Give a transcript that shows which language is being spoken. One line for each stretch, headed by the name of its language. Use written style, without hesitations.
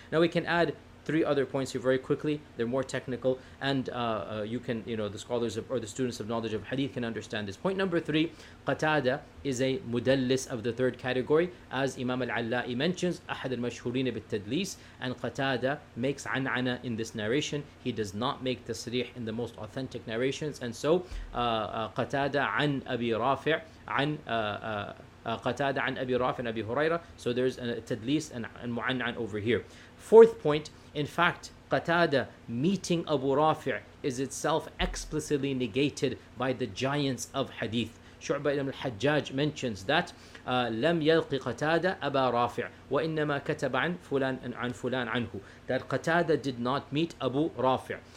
English: Now we can add three other points here very quickly. They're more technical, and the scholars of, or the students of knowledge of hadith can understand this. Point number three, Qatada is a mudallis of the third category. As Imam al-Alla'i mentions,
Arabic: أحد المشهورين بالتدليس,
English: and Qatada makes an'ana in this narration. He does not make tasrih in the most authentic narrations. And so,
Arabic: Qatada عن أبي رافع عن Qatada عن أبي رافع عن أبي هريرة.
English: So there's a tadlis and mu'an'an over here. Fourth point, in fact, Qatada meeting Abu Rafi' is itself explicitly negated by the giants of hadith. Shu'bah ibn al-Hajjaj mentions that
Arabic: لم يلقي قتادة أبا رافع وإنما كتب عن فلان عن فلان عنه,
English: that Qatada did not meet Abu Rafi'.